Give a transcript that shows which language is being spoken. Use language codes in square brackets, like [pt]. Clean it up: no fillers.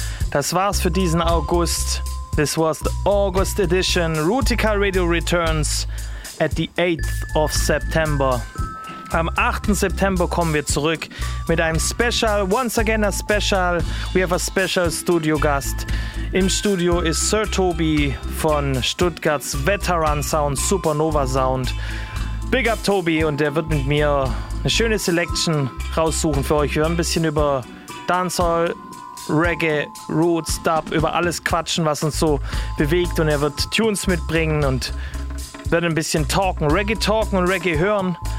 [de] Das war's für diesen August. [en] This was the August edition. Rootikal Radio returns at the 8th of September. [de] Am 8. September kommen wir zurück mit einem Special, [en] once again a special. We have a special studio guest. [de] Im Studio ist Sir Tobi von Stuttgarts Veteran Sound, Supernova Sound. Big up Tobi, und der wird mit mir eine schöne Selection raussuchen für euch. Wir hören ein bisschen über Dancehall, Reggae, Roots, Dub, über alles quatschen, was uns so bewegt, und er wird Tunes mitbringen und wird ein bisschen talken und Reggae hören.